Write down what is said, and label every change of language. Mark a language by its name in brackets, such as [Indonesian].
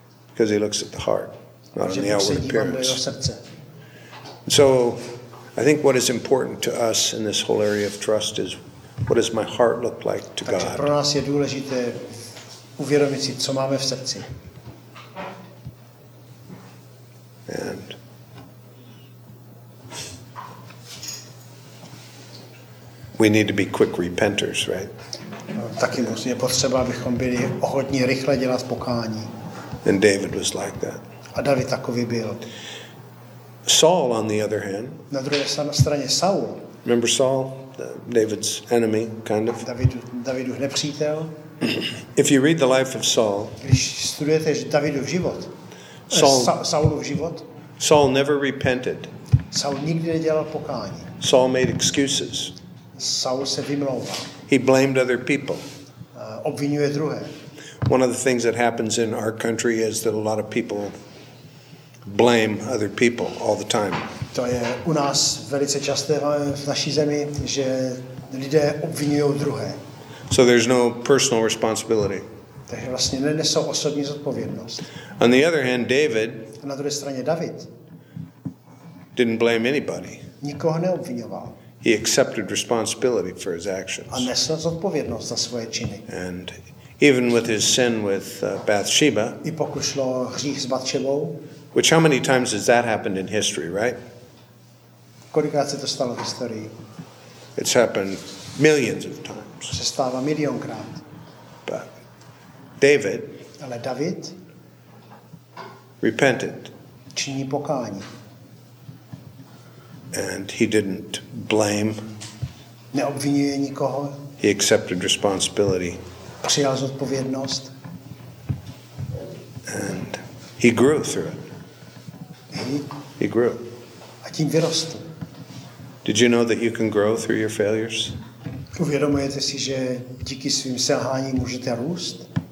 [English] Because he looks at the heart, not on the outward appearance. [Czech] Srdce. [English] So, I think what is important to us in this whole area of trust is, what does my heart look like to [Czech] Takže [English] God? [Czech] Pro nás je důležité uvědomit si, co máme v srdci. [English] And we need to be quick repenters, right? [Czech] Taky je potřeba, abychom byli ochotní rychle dělat pokání. [English] And David was like that. [Czech] A David takový byl. [English] Saul, on the other hand. [Czech] Na druhé straně Saul. [English] Remember Saul, David's enemy, kind of. [Czech] Davidův nepřítel. [English] If you read the life of Saul. [Czech] Když studujete Davidův život. Saulův život. [English] Saul never repented. [Czech] Saul nikdy nedělal pokání. [English] Saul made excuses. [Czech] Saul se vymlouval. [English] He blamed other people. [Czech] Obvinuje druhé. [English] One of the things that happens in our country is that a lot of people blame other people all the time. [Czech] To je u nás velice časté v naší zemi, že lidé obvinují druhé. [English] So there's no personal responsibility. [Czech] Takže vlastně nenesou osobní zodpovědnost. [English] On the other hand, David. [Czech] A na druhé straně David. [English] Didn't blame anybody. [Czech] Nikoho neobvinoval. [English] He accepted responsibility for his actions. [Czech] A nesl zodpovědnost za svoje činy. [English] And even with his sin with Bathsheba. [Czech] I pokud šlo hřích s Bathsheba. [English] Which how many times has that happened in history, right? [Czech] Kolikrát se to stalo v historii? [English] It's happened millions of times. [Czech] Se stává milionkrát. [English] But David. [Czech] Ale David. [English] Repented. [Czech] Činí pokání. [English] And he didn't blame. [Czech] Neobvinuje nikoho. [English] He accepted responsibility. [Czech] Přijal zodpovědnost. [English] And he grew through it. He grew. [Czech] A tím vyrostl. [English] Did you know that you can grow through your failures? [Czech] Uvědomujete si, že díky svým selháním můžete růst?